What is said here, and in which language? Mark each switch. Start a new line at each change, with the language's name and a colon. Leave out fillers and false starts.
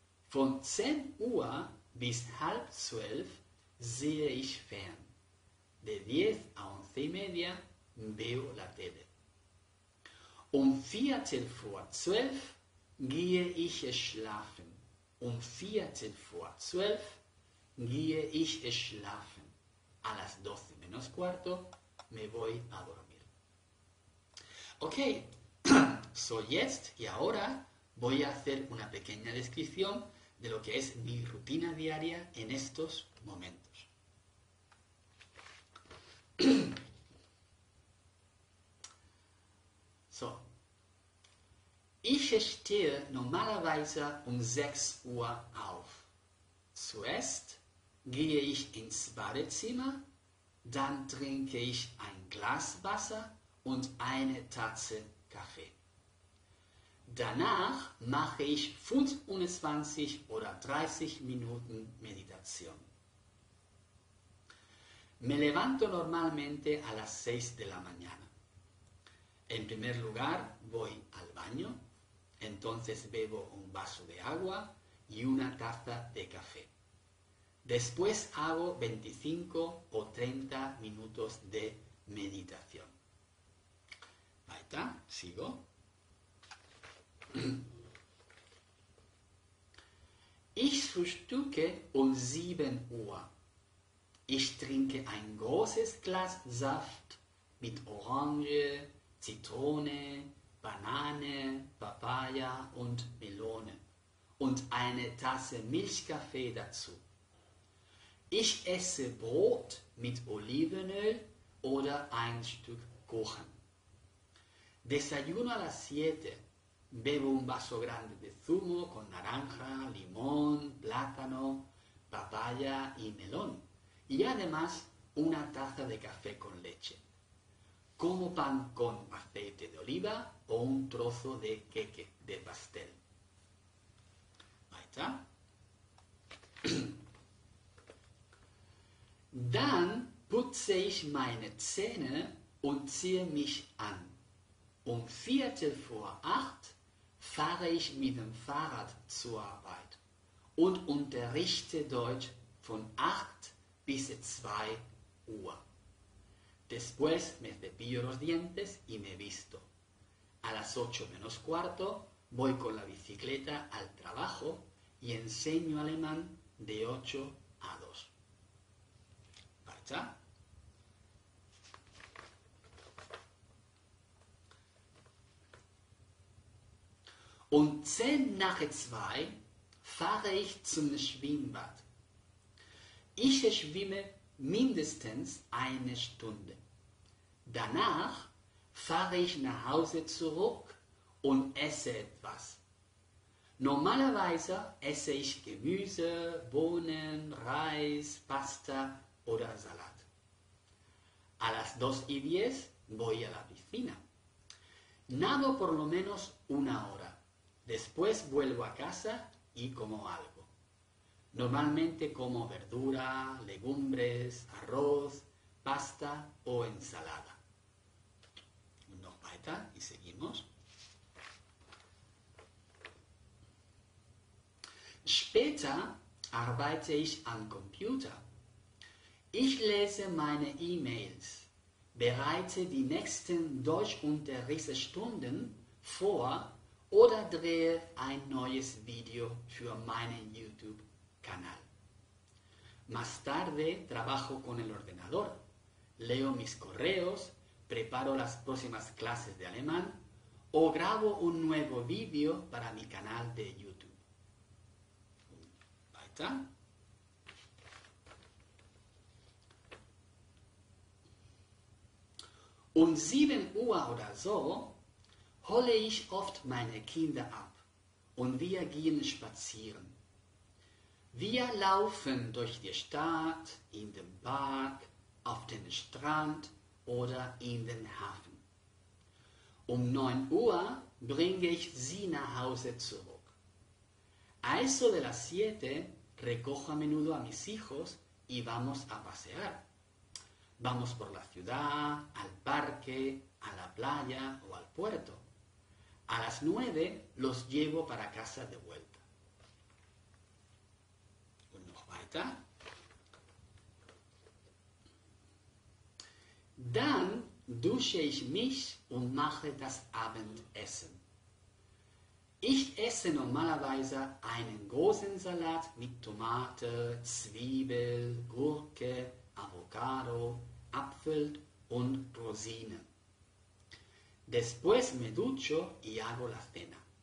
German: Von 10 Uhr bis 11:30 sehe ich fern.
Spanish: De 10 a 11:30 veo la tele.
German: Viertel vor 12 gehe ich schlafen. Viertel vor 12 gehe ich schlafen.
Spanish: A las 12 menos cuarto me voy a dormir. Okay.
German: So jetzt
Spanish: y ahora voy a hacer una pequeña descripción de lo que es mi rutina diaria en estos momentos.
German: So. Ich stehe normalerweise 6 Uhr auf. Zuerst gehe ich ins Badezimmer, dann trinke ich ein Glas Wasser und eine Tasse Kaffee. Danach mache ich 25 oder 30 Minuten Meditation.
Spanish: Me levanto normalmente a las 6 de la mañana. En primer lugar, voy al baño, entonces bebo un vaso de agua y una taza de café. Después hago 25 o 30 minutos de meditación. Ahí está, sigo.
German: Ich frühstücke 7 Uhr. Ich trinke ein großes Glas Saft mit Orange, Zitrone, Banane, Papaya und Melone und eine Tasse Milchkaffee dazu. Ich esse Brot mit Olivenöl oder ein Stück Kuchen.
Spanish: Desayuno a las 7. Bebo un vaso grande de zumo con naranja, limón, plátano, papaya y melón. Y además una taza de café con leche. Como pan con aceite de oliva o un trozo de queque de pastel. Ahí está.
German: Dann putze ich meine Zähne und ziehe mich an. 7:45 fahre ich mit dem Fahrrad zur Arbeit und unterrichte Deutsch von 8 bis 2 Uhr.
Spanish: Después me cepillo los dientes y me visto. A las 8:45 voy con la bicicleta al trabajo y enseño alemán de 8 a 2.
German: Und 2:10 fahre ich zum Schwimmbad. Ich schwimme mindestens eine Stunde. Danach fahre ich nach Hause zurück und esse etwas. Normalerweise esse ich Gemüse, Bohnen, Reis, Pasta oder Salat.
Spanish: A las 2:10 voy a la piscina. Nado por lo menos una hora. Después vuelvo a casa y como algo. Normalmente como verdura, legumbres, arroz, pasta o ensalada. Nos falta y seguimos.
German: Später arbeite ich am Computer. Ich lese meine E-Mails, bereite die nächsten Deutschunterrichtsstunden vor oder drehe ein neues Video für meinen YouTube-Kanal.
Spanish: Más tarde trabajo con el ordenador, leo mis correos, preparo las próximas clases de alemán o grabo un nuevo video para mi canal de YouTube.
German: Weiter. Um 7 Uhr oder so hole ich oft meine Kinder ab und wir gehen spazieren. Wir laufen durch die Stadt, in den Park, auf den Strand oder in den Hafen. 9 Uhr bringe ich sie nach Hause zurück.
Spanish: Also de las 7 recojo a menudo a mis hijos y vamos a pasear. Vamos por la ciudad, al parque, a la playa o al puerto. A las 9 los llevo para casa de vuelta.
German: Und noch weiter. Dann dusche ich mich und mache das Abendessen. Ich esse normalerweise einen großen Salat mit Tomate, Zwiebel, Gurke, Avocado, Apfel und Rosinen.
Spanish: Después me ducho y hago la cena.